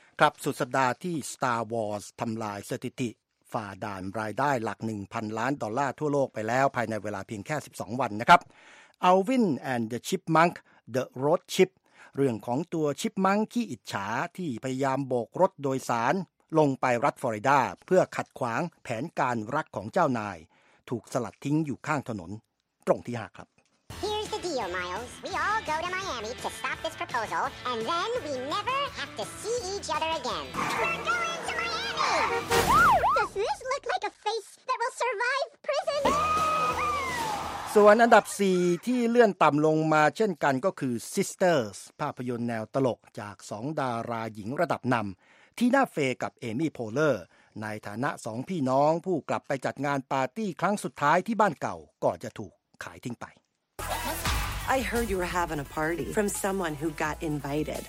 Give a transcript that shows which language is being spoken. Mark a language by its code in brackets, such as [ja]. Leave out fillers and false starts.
[th] ครับสุดสัปดาห์ที่ Star Wars ทำลายสถิติฝ่าด่านรายได้หลัก 1,000 ล้านดอลลาร์ทั่วโลกไปแล้วภายในเวลาเพียงแค่12วันนะครับ Alvin and the Chipmunk The Road Chip เรื่องของตัวชิปมังขี้อิจฉาที่พยายามโบกรถโดยสารลงไปรัฐฟลอริดาเพื่อขัดขวางแผนการรักของเจ้านายถูกสลัดทิ้งอยู่ข้างถนนตรงที่5ครับ [en] Deal, Miles. We all go to Miami to stop this proposal, and then we never have to see each other again. We're going to Miami! Does this look like a face that will survive prison? [th] ส่วนอันดับ4ที่เลื่อนต่ำลงมาเช่นกันก็คือ Sisters, ภาพยนตร์แนวตลกจาก2ดาราหญิงระดับนำที่ทีน่าเฟย์กับเอมี่โพเลอร์ในฐานะ2พี่น้องผู้กลับไปจัดงานปาร์ตี้ครั้งสุดท้ายที่บ้านเก่าก่อนจะถูกขายทิ้งไป [en] I heard you were having a party from someone who got invited.